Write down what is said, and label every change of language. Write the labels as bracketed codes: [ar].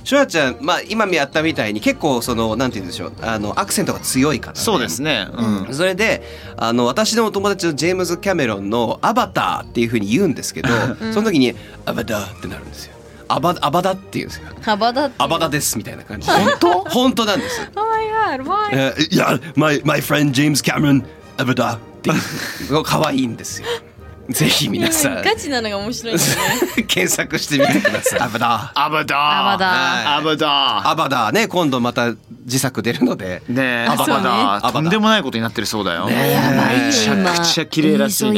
[ja] シュワちゃん、まあ、今見合ったみたいに結構そのなんて言うんでしょう、あのアクセントが強いから、ね、そうですね、うん、それであの私の友達のジェームズ・キャメロンのアバターっていう風に言うんですけど、うん、その時にアバターってなるんですよ。アバダっていうんですよ。アバダですみたいな感じ。本当本当なんです。 [en] Oh my god, why? [ja] いや、 [en] my friend James Cameron アバダーっ [ja] ていう可愛いんですよ。ぜひ皆さん、ガチなのが面白いですね。検索してみてください。アバダー、アバダー、アバダー、アバダー、アバダーね、今度また自作出るので、ね、アバダー、とんでもないことになってるそうだよ。ね、めちゃくちゃ綺麗らしいね。